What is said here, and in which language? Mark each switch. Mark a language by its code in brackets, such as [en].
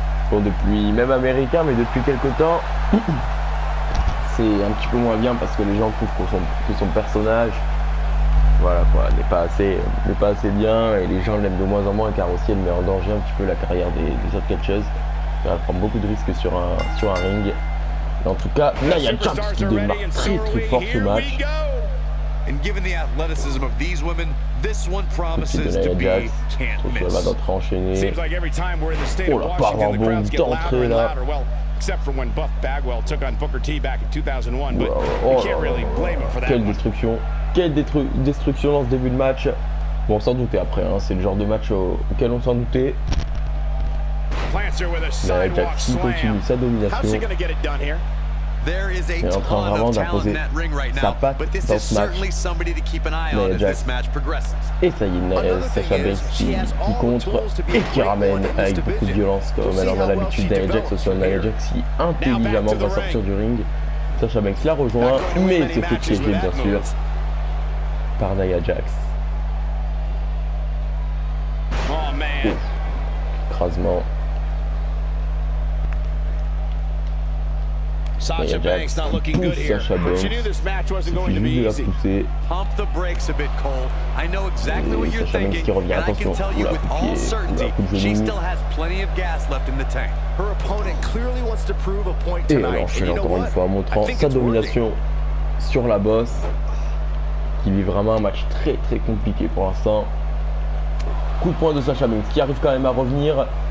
[fr] Bon, depuis même américain, mais depuis quelque temps, c'est un petit peu moins bien parce que les gens trouvent que son personnage, voilà quoi, n'est pas assez bien et les gens l'aiment de moins en moins car aussi elle met en danger un petit peu la carrière des autres catcheuses. Elle prend beaucoup de risques sur un ring. Et en tout cas, Nia Jax qui démarre très très fort ce match. [en] And given the athleticism of these women, this one promises to be can't miss. Seems like every time we're in the state of Washington, the crowds get louder and louder. Well, except for when Buff Bagwell took on Booker T back in 2001, but we can't really blame him for that. [fr] Quelle destruction! Quelle destruction dans ce début de match. Bon, sans doute, après, hein, c'est le genre de match auquel on s'en doutait. [en] Plancer with a sidewalk slam. [fr] Qui continue sa domination. [en] How's she gonna get it done here? There is a ton of talent in that ring right now, but this is certainly somebody to keep an eye on as this match progresses. Another thing is, she has all the tools to be great in this division. We'll see how well she develops here. Now back to the ring. Nia Jax [fr] intelligemment va sortir du ring. Sasha Banks la rejoint, mais c'est fait piéger bien sûr par Nia Jax. [en] Oh man, [fr] écrasement. [en] Sasha Banks not looking good here. Sasha Banks. But she knew this match wasn't going to be easy. Pump the brakes a bit, Cole. I know exactly what you're thinking, and I can tell you with all certainty she still has plenty of gas left in the tank. Her opponent clearly wants to prove a point tonight. [fr] Et encore une fois, montrant sa domination sur la boss, qui vit vraiment un match très très compliqué pour l'instant. Coup de poing de Sasha Banks qui arrive quand même à revenir.